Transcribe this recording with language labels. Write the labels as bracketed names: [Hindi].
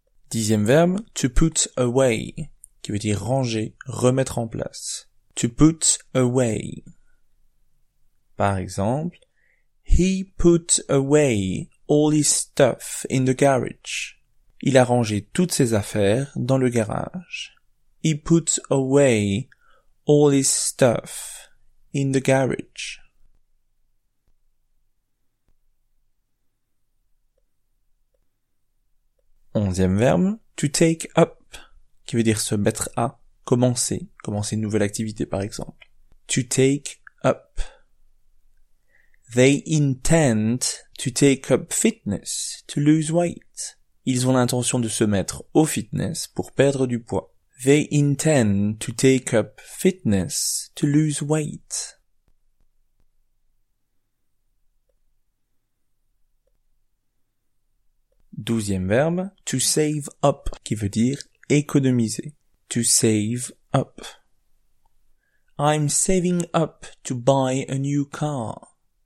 [French] Dixième verbe, to put away, qui veut dire ranger, remettre en place. [English] To put away. [French] Par exemple, [English] he put away all his stuff in the garage. [French] Il a rangé toutes ses affaires dans le garage. [English] He put away all his stuff in the garage. [French] Onzième verbe, to take up, qui veut dire se mettre à, commencer, commencer une nouvelle activité par exemple. [English] To take up. They intend to take up fitness to lose weight. [French] Ils ont l'intention de se mettre au fitness pour perdre du poids. [English] They intend to take up fitness to lose weight. [French] Douzième verbe, to save up, qui veut dire économiser. [English] To save up. I'm saving up to buy a new car.